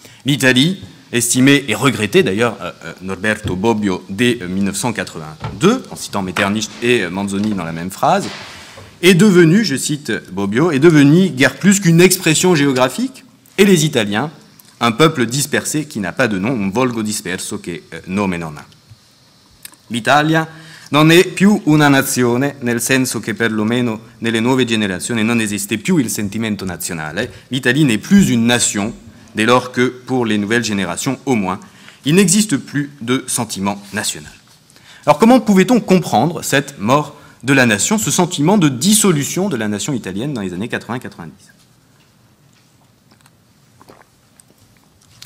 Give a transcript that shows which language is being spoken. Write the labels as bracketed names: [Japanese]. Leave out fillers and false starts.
[French] L'Italie, estimée et regrettée d'ailleurs Norberto Bobbio dès 1982, en citant Metternich et Manzoni dans la même phrase, est devenue, je cite Bobbio, est devenue guère plus qu'une expression géographique, et les Italiens, un peuple dispersé qui n'a pas de nom, [Italian] un volgo disperso che nome non ha. L'Italia non è più una nazione, nel senso che perlomeno nelle nuove generazioni non esiste più il sentimento nazionale. [French] L'Italie n'est plus une nation, dès lors que, pour les nouvelles générations au moins, il n'existe plus de sentiment national. Alors comment pouvait-on comprendre cette mort de la nation, ce sentiment de dissolution de la nation italienne dans les années 80-90 ?